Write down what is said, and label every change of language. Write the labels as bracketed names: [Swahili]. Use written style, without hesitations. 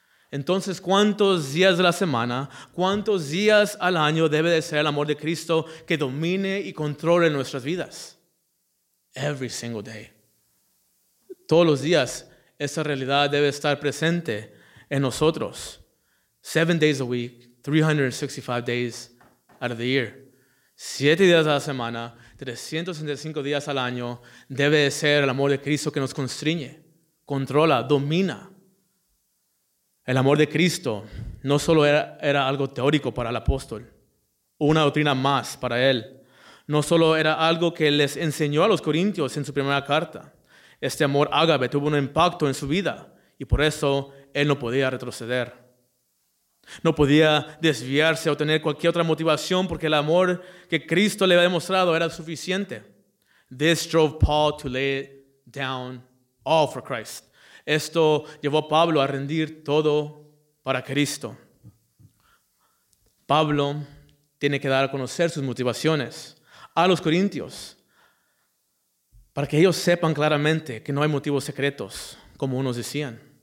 [Spanish] Entonces, ¿cuántos días de la semana, cuántos días al año debe de ser el amor de Cristo que domine y controle nuestras vidas? [English] Every single day. [Spanish] Todos los días, esa realidad debe estar presente en nosotros. [English] 7 days a week, 365 days out of the year. [Spanish] 7 días a la semana, 365 días al año, debe de ser el amor de Cristo que nos constriñe, controla, domina. El amor de Cristo no solo era algo teórico para el apóstol, una doctrina más para él. No solo era algo que les enseñó a los corintios en su primera carta. Este amor ágape tuvo un impacto en su vida y por eso él no podía retroceder. No podía desviarse o tener cualquier otra motivación porque el amor que Cristo le había demostrado era suficiente. [English] This drove Paul to lay down all for Christ. [Spanish] Esto llevó a Pablo a rendir todo para Cristo. Pablo tiene que dar a conocer sus motivaciones a los corintios para que ellos sepan claramente que no hay motivos secretos, como unos decían.